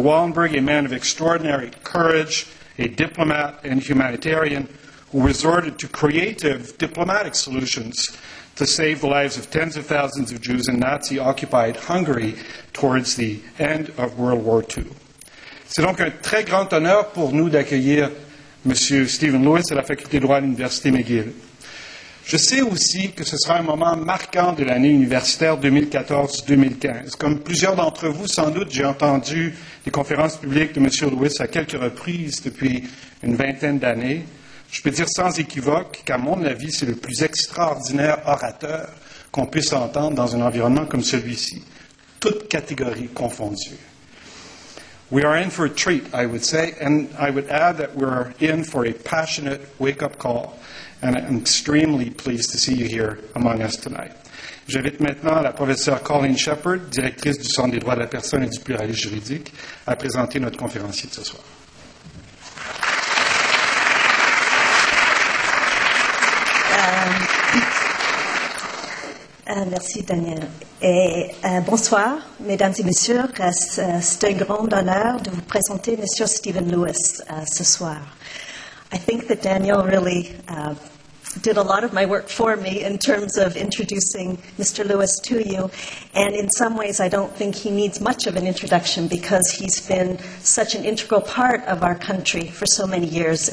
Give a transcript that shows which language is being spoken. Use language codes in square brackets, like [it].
[en] Wallenberg, a man of extraordinary courage, a diplomat and humanitarian, who resorted to creative diplomatic solutions to save the lives of tens of thousands of Jews in Nazi-occupied Hungary towards the end of World War II. [fr] C'est donc un très grand honneur pour nous d'accueillir M. Stephen Lewis à la Faculté de droit de l'Université McGill. Je sais aussi que ce sera un moment marquant de l'année universitaire 2014-2015. Comme plusieurs d'entre vous, sans doute, j'ai entendu les conférences publiques de M. Lewis à quelques reprises depuis une vingtaine d'années. Je peux dire sans équivoque qu'à mon avis, c'est le plus extraordinaire orateur qu'on puisse entendre dans un environnement comme celui-ci, toutes catégories confondues. [en] We are in for a treat, I would say, and I would add that we're in for a passionate wake-up call, and I'm extremely pleased to see you here among us tonight. [fr] J'invite maintenant la professeure Colleen Shepherd, directrice du Centre des droits de la personne et du pluralisme juridique, à présenter notre conférencier de ce soir. Merci, Daniel. Et bonsoir, mesdames et messieurs. C'est un grand honneur de vous présenter M. Stephen Lewis ce soir. [en] I think that Daniel really did a lot of my work for me in terms of introducing Mr. Lewis to you. And in some ways, I don't think he needs much of an introduction because he's been such an integral part of our country for so many years.